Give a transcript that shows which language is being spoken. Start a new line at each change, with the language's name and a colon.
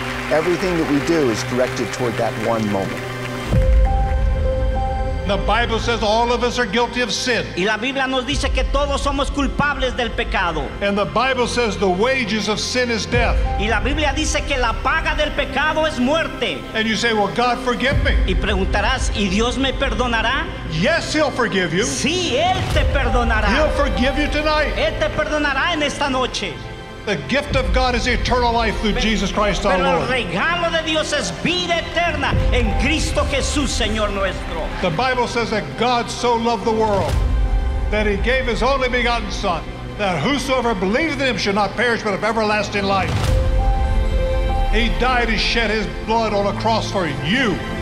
English: Everything that we do is directed toward that one moment. The Bible says all of us are guilty of sin.
Spanish: Y la Biblia nos dice que todos somos culpables del pecado.
English: And the Bible says the wages of sin is death.
Spanish: Y la Biblia dice que la paga del pecado es muerte.
English: And you say, well, God forgive me.
Spanish: Y preguntarás, ¿y Dios me perdonará?
English: Yes, He'll forgive you.
Spanish: Sí, Él te perdonará.
English: He'll forgive you tonight.
Spanish: Él te perdonará en esta noche.
English: The gift of God is eternal life through Jesus Christ our Lord.
Spanish: Pero el regalo de Dios es vida eterna en Cristo Jesús, Señor nuestro.
English: The Bible says that God so loved the world that He gave His only begotten Son, that whosoever believeth in Him should not perish but have everlasting life. He died and shed His blood on a cross for you.